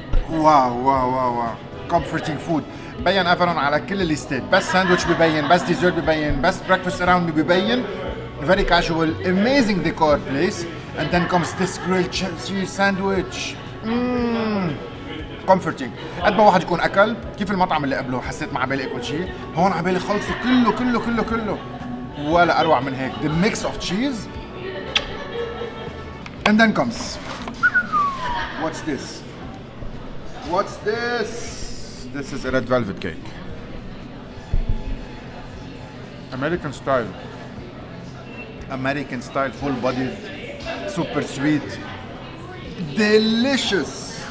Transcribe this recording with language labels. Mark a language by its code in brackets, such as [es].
[ar] واو واو واو [en] comforting food, [ar] بين افرون على كل الليستات، بس ساندويتش ببين، بس ديزرت ببين، بس [en] breakfast around [ar] ببين، [en] very casual, amazing decor place, and then comes this grilled cheese sandwich. Comforting. [ar] قد ما واحد يكون أكل كيف المطعم اللي قبله حسيت مع بالي كل شيء، هون على بالي خلصوا كله كله كله كله ولا أروع من هيك. [en] The mix of cheese and then comes what's this, what's this, this is a red velvet cake, American style, American style, full body, super sweet, delicious.